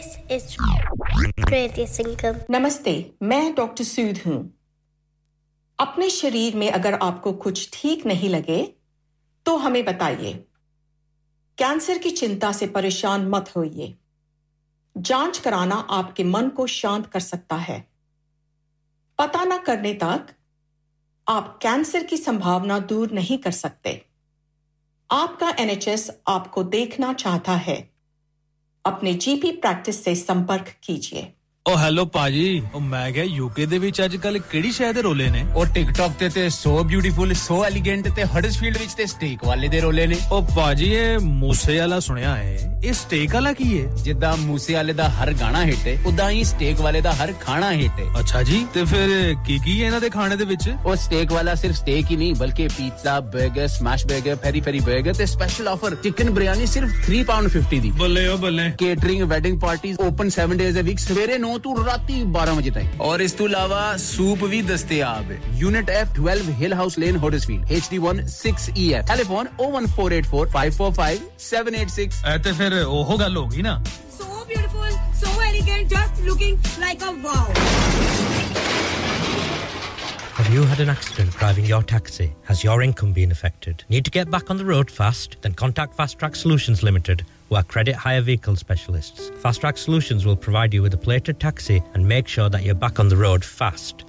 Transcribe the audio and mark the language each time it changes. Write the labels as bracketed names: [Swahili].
[Hindi] नमस्ते मैं डॉक्टर सूद हूं अपने शरीर में अगर आपको कुछ ठीक नहीं लगे तो हमें बताइए कैंसर की चिंता से परेशान मत होइए जांच कराना आपके मन को शांत कर सकता है पता न करने तक आप कैंसर की संभावना दूर नहीं कर सकते आपका एनएचएस आपको देखना चाहता है अपने जीपी प्रैक्टिस से संपर्क कीजिए [Punjabi] ਓ ਹੈਲੋ ਪਾਜੀ ਓ ਮੈਂ ਕਿਹਾ ਯੂਕੇ ਦੇ ਵਿੱਚ ਅੱਜ ਕੱਲ ਕਿਹੜੀ ਸ਼ਹਿਰ ਦੇ ਰੋਲੇ ਨੇ ਓ ਟਿਕਟੋਕ ਤੇ ਤੇ [English] so beautiful so elegant [Punjabi] ਤੇ ਹਡਸਫੀਲਡ ਵਿੱਚ ਤੇ ਸਟੇਕ ਵਾਲੇ ਦੇ ਰੋਲੇ ਨੇ ਓ ਪਾਜੀ ਇਹ ਮੂਸੇ ਵਾਲਾ ਸੁਣਿਆ ਹੈ ਇਹ ਸਟੇਕ ਵਾਲਾ ਕੀ ਹੈ ਜਿੱਦਾਂ ਮੂਸੇ ਵਾਲੇ ਦਾ ਹਰ ਗਾਣਾ ਹਿੱਟ ਹੈ ਉਦਾਂ ਹੀ ਸਟੇਕ ਵਾਲੇ ਦਾ ਹਰ ਖਾਣਾ ਹਿੱਟ ਹੈ ਅੱਛਾ ਜੀ ਤੇ ਫਿਰ ਕੀ ਹੈ ਇਹਨਾਂ ਦੇ ਖਾਣੇ ਦੇ ਵਿੱਚ ਓ ਸਟੇਕ ਵਾਲਾ ਸਿਰਫ ਸਟੇਕ ਹੀ ਨਹੀਂ ਬਲਕਿ pizza burger smash burger ferry ferry burger ਤੇ ਸਪੈਸ਼ਲ ਆਫਰ ਚਿਕਨ ਬਿਰਿਆਨੀ ਸਿਰਫ £3.50 ਦੀ ਬੱਲੇ ਓ ਬੱਲੇ [English] catering wedding parties open 7 days a week [Punjabi] ਸਵੇਰੇ 9 ਤੋਂ ਰਾਤੀ 12 ਵਜੇ ਤੱਕ ਔਰ ਇਸ ਤੋਂ ਇਲਾਵਾ ਸੂਪ ਵੀ ਦਸਤਿਆਬ ਹੈ [English] unit F 12 Hill House Lane Huddersfield HD16EF telephone 01484545786 [Punjabi] ਐ ਤੇ ਫਿਰ ਉਹ ਗੱਲ ਹੋ ਗਈ ਨਾ [English] So beautiful so elegant just looking like uh wow Have you had an accident driving your taxi? Has your income been affected? Need to get back on the road fast? Then contact Fast Track Solutions Limited, who are credit hire vehicle specialists. Fast Track Solutions will provide you with a plated taxi and make sure that you're back on the road fast.